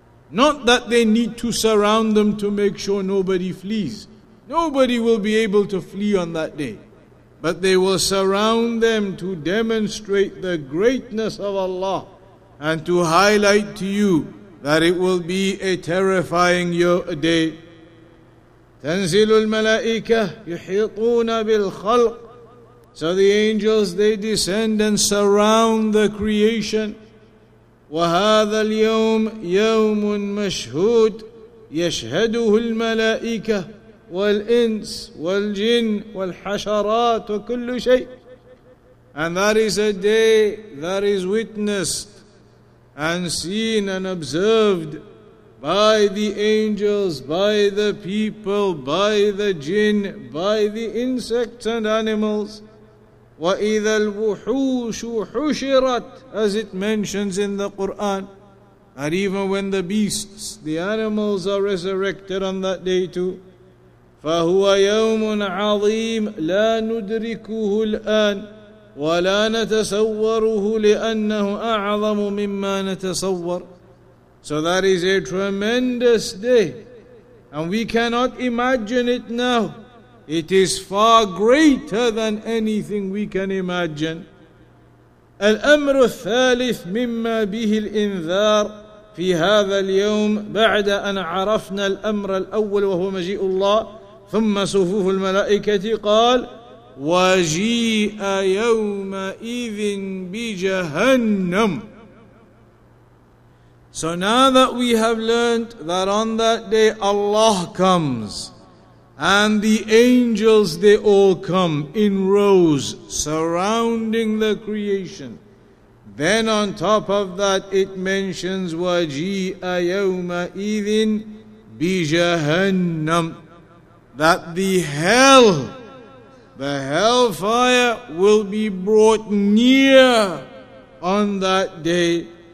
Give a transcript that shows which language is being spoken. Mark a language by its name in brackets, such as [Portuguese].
[English] Not that they need to surround them to make sure nobody flees. Nobody will be able to flee on that day. But they will surround them to demonstrate the greatness of Allah and to highlight to you that it will be a terrifying day. [Arabic] تنزل الملائكة يحيطون بالخلق. [English] So the angels, they descend and surround the creation. [Arabic] وهذا اليوم يوم مشهود يشهده الملائكة والإنس والجن والحشرات وكل شيء. [English] And that is a day that is witnessed and seen and observed by the angels, by the people, by the jinn, by the insects and animals. [Arabic] وَإِذَا الْوُحُوشُ حُشِرَتْ, [English] as it mentions in the Qur'an, and even when the beasts, the animals, are resurrected on that day too. [Arabic] فَهُوَ يَوْمٌ عَظِيمٌ لَا نُدْرِكُهُ الْآنِ ولا نتصوره لأنه أعظم مما نتصور. [English] So that is a tremendous day, and we cannot imagine it now. It is far greater than anything we can imagine. [Arabic] الأمر الثالث مما به الإنذار في هذا اليوم بعد أن عرفنا الأمر الأول وهو مجيء الله ثم صفوف الملائكة قال وَجِيءَ يَوْمَئِذٍ بِجَهَنَّمْ. [English] So now that we have learned that on that day Allah comes and the angels, they all come in rows surrounding the creation, then on top of that it mentions [Arabic] وَجِيءَ يَوْمَئِذٍ بِجَهَنَّمْ, [English] that the hellfire will be brought near on that day.